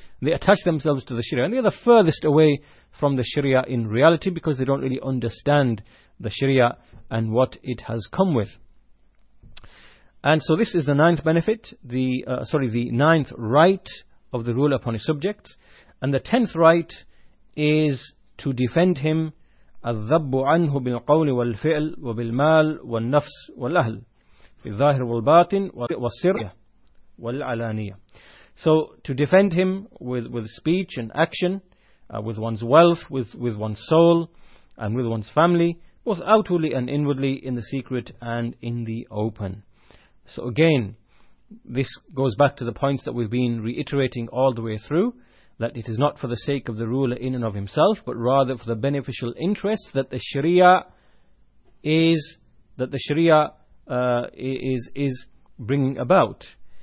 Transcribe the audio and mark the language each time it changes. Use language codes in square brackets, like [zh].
[en] They attach themselves to the Sharia, and they are the furthest away from the Sharia in reality, because they don't really understand the Sharia and what it has come with. And so this is the ninth benefit, the ninth right of the ruler upon his subjects. And the tenth right is to defend him, [ar] الذَّبُّ عَنْهُ بِالْقَوْلِ وَالْفِعْلِ وَبِالْمَالِ وَالنَّفْسِ وَالْأَهْلِ فِي الظَّاهِرِ وَالْبَاطِنِ وَالسِّرِّ وَالْعَلَانِيَةِ. [en] So to defend him with speech and action, with one's wealth, with one's soul, and with one's family, both outwardly and inwardly, in the secret and in the open. So again, this goes back to the points that we've been reiterating all the way through, that it is not for the sake of the ruler in and of himself, but rather for the beneficial interest that the Sharia is, that the Sharia is bringing about.